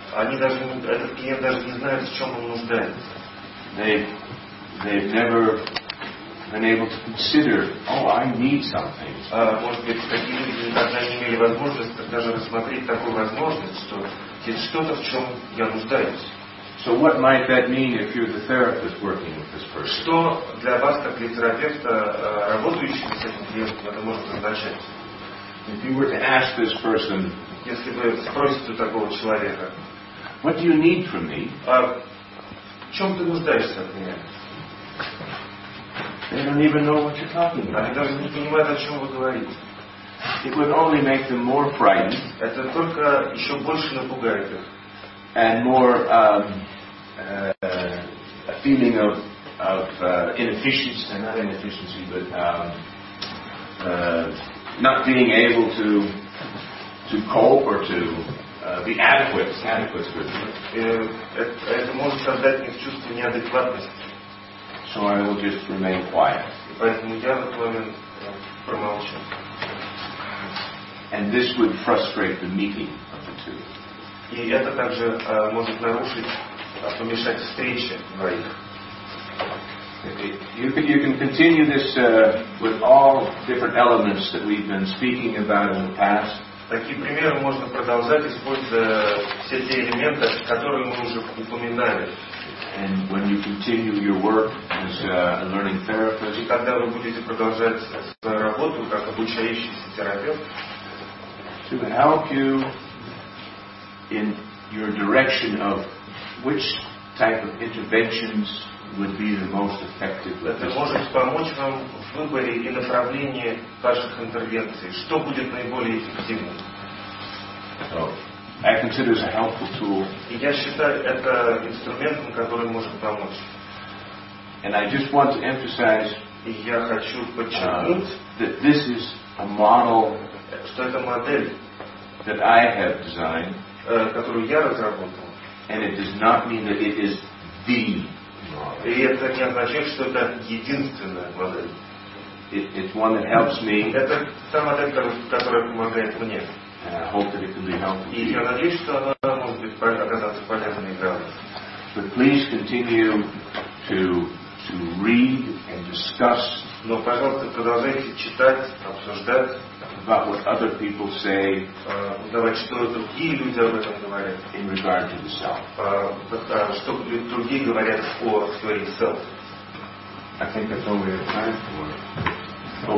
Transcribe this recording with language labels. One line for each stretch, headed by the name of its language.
Russian: Они даже этот клиент даже не знает, в чем он нуждается.
English: They've never been able to consider, oh, I need something.
Russian: Может быть, такие люди никогда не имели возможности даже рассмотреть такую возможность, что есть что-то, в чем я нуждаюсь.
English: So what might that mean if you're the therapist working with this person?
Russian: Что для вас, как для терапевта, работающего с этим клиентом, это может означать?
English: If you were to ask this person,
Russian: если вы спросите у такого человека,
English: what do you need from me?
Russian: В чем ты нуждаешься от меня?
English: They don't even know what you're talking about.
Russian: Они даже не понимают, о чем вы говорите.
English: It would only make them more frightened.
Russian: Это только еще больше напугает их.
English: And more a feeling of inefficiency, not inefficiency, but not being able to cope or to be adequate for them.
Russian: Это может создать их чувство неадекватности.
English: So I will just remain quiet.
Russian: Поэтому я вынужден промолчу.
English: And this would frustrate the meeting of the two.
Russian: И это также может нарушить, помешать встрече двоих.
English: You can continue this with all different elements that we've been speaking about in the past.
Russian: Такие примеры можно продолжать, используя все те элементы, которые мы уже упоминали.
English: And when you continue your work as a learning therapist,
Russian: и когда вы будете продолжать свою работу как обучающийся терапевт,
English: to help you in your direction of which type of interventions would be the most effective.
Russian: Это может помочь вам в выборе и направлении ваших интервенций. Что будет наиболее эффективным?
English: So, I consider it a helpful tool.
Russian: И я считаю это инструментом, который может помочь.
English: And I just want to emphasize,
Russian: и я хочу подчеркнуть,
English: that this is a model,
Russian: что это модель,
English: that I have designed,
Russian: которую я разработал.
English: And it does not mean that it is the model.
Russian: И это не означает, что это единственная модель.
English: It's one that helps me.
Russian: Это та модель, которая помогает мне.
English: And I hope that it can be helpful.
Russian: И я надеюсь, что она может быть оказаться полезной для вас.
English: But please continue to read and discuss.
Russian: Но, пожалуйста, продолжайте читать, обсуждать.
English: About what other people say.
Russian: Узнавать, что другие люди об этом говорят.
English: In regard to the self.
Russian: Что другие говорят о своей self.
English: I think that's all we have time for.